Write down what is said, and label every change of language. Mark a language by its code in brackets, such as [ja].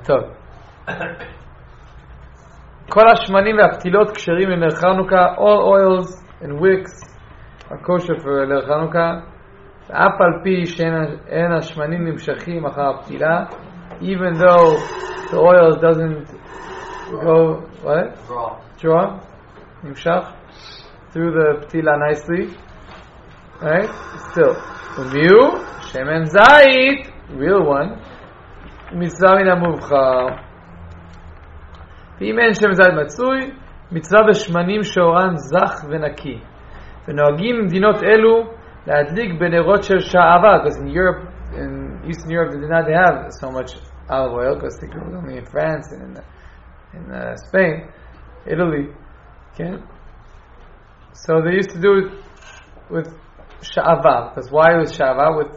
[he] Stay כל השמנים והפתילות קשרים עם ערך חנוכה, [en] all oils and wicks are kosher for [he] ערך חנוכה, ואף על פי שאין השמנים נמשכים אחר הפתילה, [en] even though the oil doesn't go, what? Draw. נמשך through the פתילה nicely, right? [he] Still. ומיהו? שמן זית, [en] real one, [he] מצווה מן המובחר. ואם אין שם זית מצוי, מצווה בשמנים שאורן זך ונקי. ונוהגים מדינות אלו להדליק בנרות של שעווה, [en] because in Europe, in Eastern Europe, they did not have so much olive oil, because they grew only in France and in Spain, Italy. Okay? So they used to do it with שעווה, because why with שעווה?